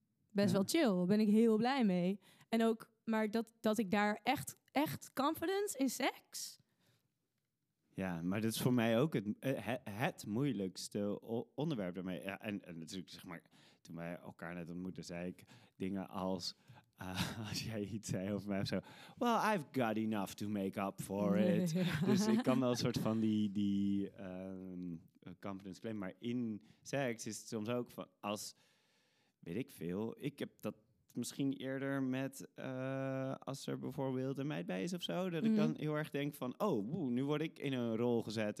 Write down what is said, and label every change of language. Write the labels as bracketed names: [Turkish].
[Dutch] Best wel chill, ben ik heel blij mee. En ook, maar dat ik daar echt confidence in seks. Ja, maar dat is voor mij ook het moeilijkste onderwerp daarmee. Ja, en natuurlijk, zeg maar, toen wij elkaar net ontmoetten, zei ik dingen als... als jij iets zei over mij of zo... [English] Well, I've got enough to make up for it. [Dutch] Dus ik kan wel een soort van die confidence claim. Maar in seks is het soms ook van... Als, weet ik veel... Ik heb dat misschien eerder met... als er bijvoorbeeld een meid bij is of zo... Dat ik dan heel erg denk van... Oh, woe, nu word ik in een rol gezet.